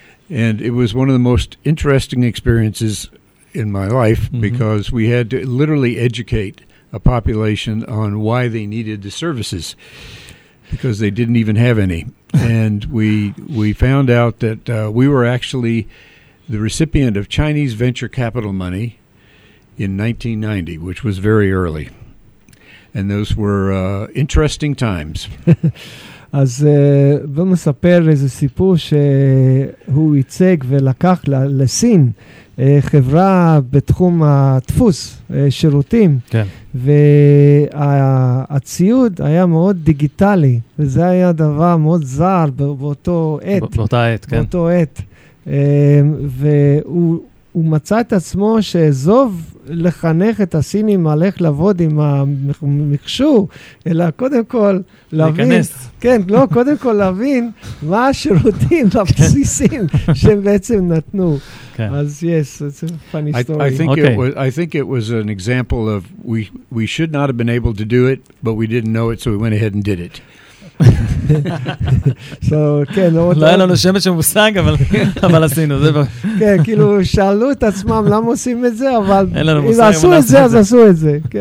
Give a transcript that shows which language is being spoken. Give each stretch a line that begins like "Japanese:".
English: And it was one of the most interesting experiences in my life because we had to literally educate a population on why they needed the services because they didn't even have any. And we found out that we were actually the recipient of Chinese venture capital money in 1990, which was very early. And those were interesting times.
Hebrew: אז בוא נספר איזה סיפור שהוא ייצג ולקח לסין חברה בתחום הדפוס, שירותים. כן. והציוד היה מאוד דיגיטלי, וזה היה דבר מאוד זר באותו עת. באותה עת, כן. באותו עת. והוא מצא את עצמו שעזוב לחנך את הסינים על איך לעבוד עם המחשור, אלא קודם כל להבין... להיכנס. כן, לא, קודם כל להבין מה השירותים הבסיסים שהם בעצם נתנו.
English: אז yes, it's a funny story. I think it was an example of we should not have been able to do it, but we didn't know it, so we went ahead and did it.
Hebrew: So, כן, לא היה לנו שמץ של מושג, אבל עשינו זה. כן, כאילו שאלו את עצמם למה עושים את זה, אבל אם עשו את זה, אז עשו את זה.